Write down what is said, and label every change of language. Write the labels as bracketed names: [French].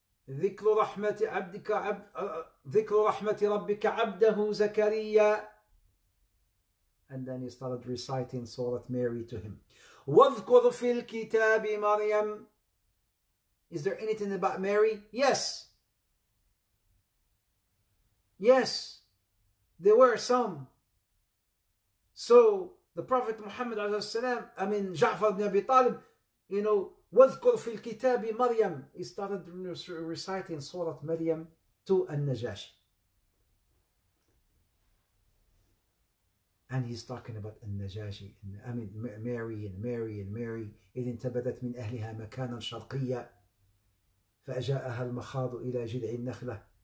[Arabic] ذكر رحمة عبدك ذكر رحمة ربك عبده زكريا. [English] And then he started reciting Surah Mary to him. [Arabic] واذكر في الكتاب مريم. [English] Is there anything about Mary? Yes. Yes. There were some. So the Prophet Muhammad عليه السلام, I mean Ja'far ibn Abi Talib, you know, وَذْكُرْ فِي الْكِتَابِ مَرْيَمْ. He started reciting Surah Maryam to Al-Najashi. And he's talking about Al-Najashi. I mean, Mary and Mary and Mary. إِذْ انْتَبَذَتْ مِنْ أَهْلِهَا مَكَانًا شَرْقِيًّا [Arabic] فأجاءها المخاض إلى جذع النخلة.